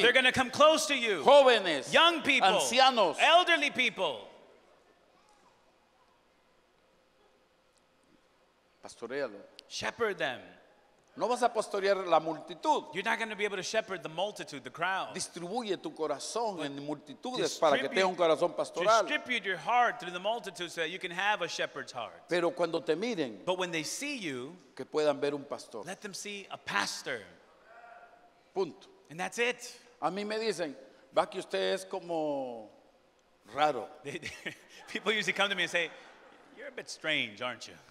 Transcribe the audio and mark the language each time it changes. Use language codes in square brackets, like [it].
[en] They're going to come close to you. [es] Jóvenes, [en] young people, [es] ancianos, [en] elderly people. [es] Pastorealo. [en] Shepherd them. [es] No vas a pastorear la multitud. [en] You're not going to be able to shepherd the multitude, the crowd. [es] Distribuye tu corazón en multitudes para que tenga un corazón pastoral. [en] Distribute your heart through the multitudes so that you can have a shepherd's heart. [es] Pero cuando te miren, [en] but when they see you, [es] que puedan ver un pastor. [en] Let them see a pastor. [es] Punto. [en] And that's it. [es] A mí me dicen, va que usted es como raro. [en] People usually come to me and say, you're a bit strange, aren't you?